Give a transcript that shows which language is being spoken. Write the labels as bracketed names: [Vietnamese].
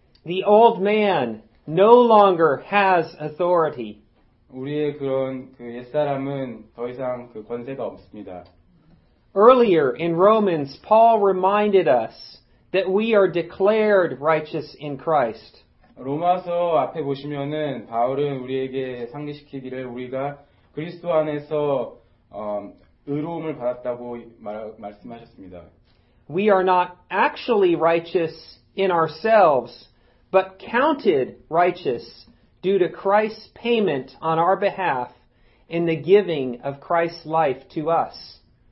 [English] The old man no longer has authority. [Korean] 우리의 그런 그 옛사람은 더 이상 그 권세가 없습니다. [English] Earlier in Romans, Paul reminded us that we are declared righteous in Christ. [Korean] 로마서 앞에 보시면은 바울은 우리에게 상기시키기를 우리가 그리스도 안에서 의로움을 받았다고 말씀하셨습니다. [English] We are not actually righteous in ourselves, but counted righteous due to Christ's payment on our behalf in the giving of Christ's life to us.